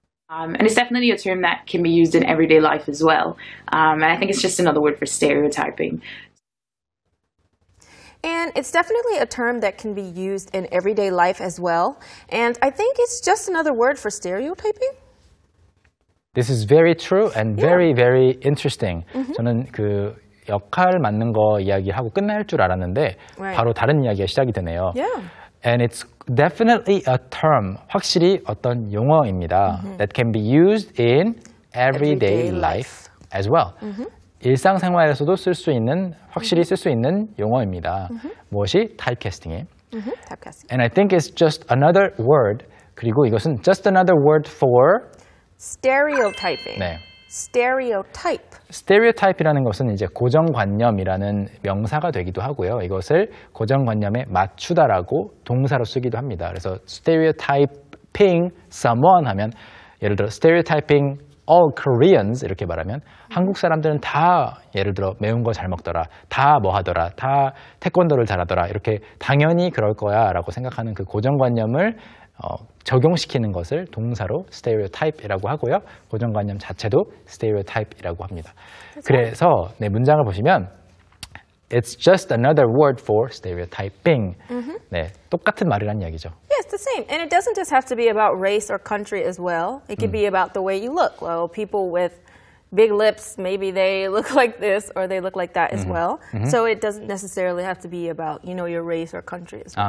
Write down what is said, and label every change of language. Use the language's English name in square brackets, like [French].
[English] And it's definitely a term that can be used in everyday life as well. And I think it's just another word for stereotyping. And it's definitely a term that can be used in everyday life as well. And I think it's just another word for stereotyping. This is very true and very, yeah. very interesting. Mm-hmm. [Korean] 저는 그 역할 맞는 거 이야기하고 끝날 줄 알았는데 [English] right. [Korean] 바로 다른 이야기가 시작이 되네요. [English] Yeah. And it's definitely a term, [Korean] 확실히 어떤 용어입니다. [English] Mm-hmm. That can be used in everyday, everyday life. Life as well. Mm-hmm. [Korean] 일상생활에서도 쓸 수 있는, 확실히 쓸 수 있는 용어입니다. Mm-hmm. 무엇이? Typecasting이에요. [English] Mm-hmm. Typecasting. And I think it's just another word. [Korean] 그리고 이것은 [English] just another word for? Stereotyping. [Korean] 네. [English] Stereotype. [Korean] Stereotype이라는 것은 이제 고정관념이라는 명사가 되기도 하고요. 이것을 고정관념에 맞추다라고 동사로 쓰기도 합니다. 그래서 stereotyping someone 하면 예를 들어 stereotyping All Koreans, 이렇게 말하면 mm-hmm. 한국 사람들은 다 예를 들어 매운 거 잘 먹더라, 다 뭐 하더라, 다 태권도를 잘하더라 이렇게 당연히 그럴 거야 라고 생각하는 그 고정관념을 적용시키는 것을 동사로 stereotype이라고 하고요. 고정관념 자체도 stereotype이라고 합니다. [English] That's [Korean] 그래서 네, 문장을 보시면 [English] It's just another word for stereotyping. Mm-hmm. [Korean] 네, 똑같은 말이라는 이야기죠. [English] Yeah, it's the same. And it doesn't just have to be about race or country as well. It can be about the way you look. Well, people with big lips, maybe they look like this or they look like that as well. Mm-hmm. So it doesn't necessarily have to be about, you know, your race or country as well.